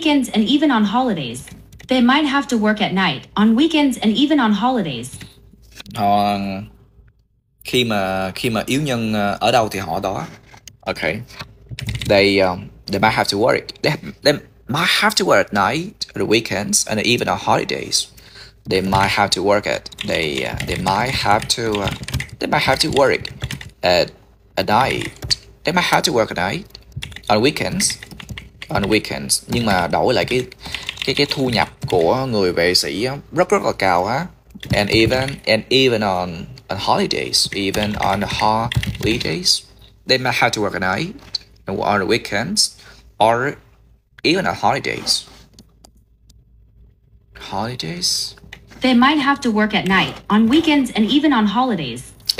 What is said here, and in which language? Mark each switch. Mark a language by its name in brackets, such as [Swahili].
[English] They might have to work at night on weekends and even on holidays. They might have to work at night on weekends and even on holidays. [Vietnamese] Khi mà yếu nhân ở đâu thì họ ở đó. [English] Okay. They might have to work. They might have to work at night, at the weekends, and even on holidays. They might have to work at night, on weekends, [Vietnamese] Nhưng mà đổi lại cái thu nhập của người vệ sĩ rất rất là cao á. [English] And even on holidays, they might have to work at night, on the weekends, or even on holidays. They might have to work at night, on weekends, and even on holidays.